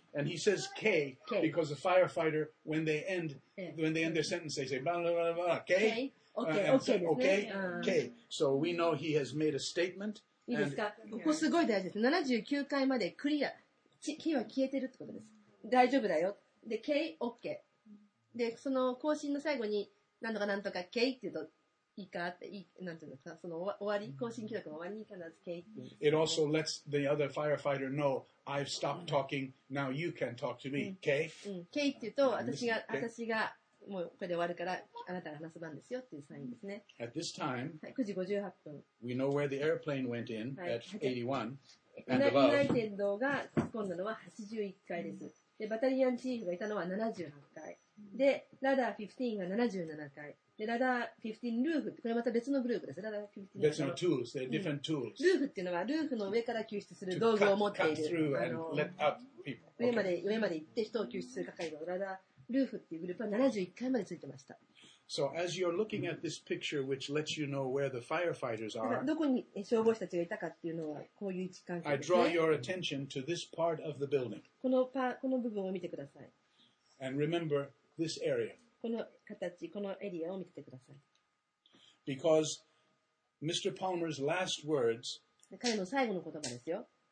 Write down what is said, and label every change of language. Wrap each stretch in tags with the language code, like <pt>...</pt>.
<en>And he says K because the firefighter when they end their sentence, they say blah blah blah blah. K. Okay. K. So we know he has made a statement.</en> <ja>いいですか。ここすごい大事です。79回までクリア。 K は消えてるってことです。大丈夫だよ。で、K、OK。で、その更新の最後に、何とか何とか K って言うといいかって、いい、なんていうのか、その終わり、更新記録の終わりに必ず K って言う、ね。</ja> <en>It also lets the other firefighter know, I've stopped talking, now you can talk to me, K?、</en> <ja>うん、K って言うと、私がもうこれで終わるから、あなたが話す番ですよっていうサインですね。</ja> <en>At this time,、</en> <ja>はい、9時58分。</ja> <en>We know where the airplane went in、はい、at 81.</en> <ja>ユナイテッドが突っ込んだのは81階です。でバタリアンチーフがいたのは78階。で、ラダー15が77階。で、ラダー15ルーフ、これまた別のグループです。ラダー15。別の</ja> <en>tools、they're different tools。</en> <ja>ルーフっていうのは、ルーフの上から救出する道具を持っている。上まで行って人を救出する係のラダー、ルーフっていうグループは71階までついてました。</ja> <en>So as you're looking at this picture, which lets you know where the firefighters are,</en> <ja>どこに消防士たちがいたかっていうのはこういう位置関係ですね。</ja> <en>I draw your attention to this part of the building.</en> <ja>この部分を見てください。</ja> <en>And remember this area.</en> <ja>この形、このエリアを見ててください。</ja> <en>Because Mr. Palmer's last words.</en> <ja>彼の最後の言葉ですよ。</ja>